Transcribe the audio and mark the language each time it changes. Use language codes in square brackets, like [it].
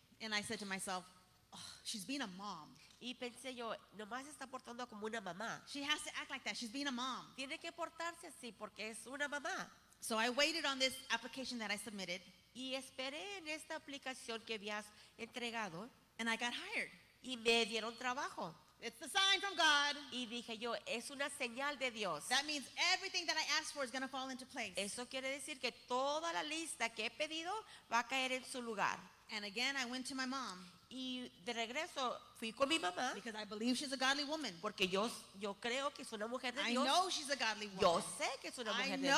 [en] And I said to myself, she's being a mom. [es] Y pensé yo, nomás está portando como una mamá. [en] She has to act like that. She's being a mom. [es] Tiene que portarse así porque es una mamá. [en] So I waited on this application that I submitted. [es] Y esperé en esta aplicación que habías entregado. [en] And I got hired. [es] Y me dieron trabajo. [en] It's the sign from God. [es] Y dije yo, es una señal de Dios. [en] That means everything that I asked for is going to fall into place. [es] Eso quiere decir que toda la lista que he pedido va a caer en su lugar. [en] And again, I went to my mom. [es] Y de regreso fui con mi mamá. [en] Because I believe she's a godly woman. [es] Porque yo creo que es una mujer de Dios. [en] I know she's a godly woman. [es] Yo sé que es una mujer de Dios.